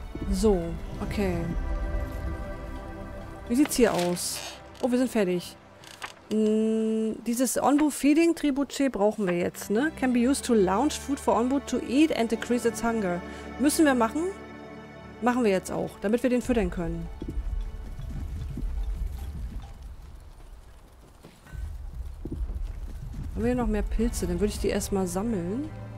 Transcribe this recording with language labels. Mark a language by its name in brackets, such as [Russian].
[German] So, okay. Wie sieht's hier aus? Oh, wir sind fertig. Dieses Onbu Feeding Tribuche brauchen wir jetzt, ne? [English] Can be used to launch food for Onbu to eat and decrease its hunger. [German] Müssen wir machen? Machen wir jetzt auch, damit wir den füttern können. Haben wir hier noch mehr Pilze? Dann würde ich die erstmal sammeln.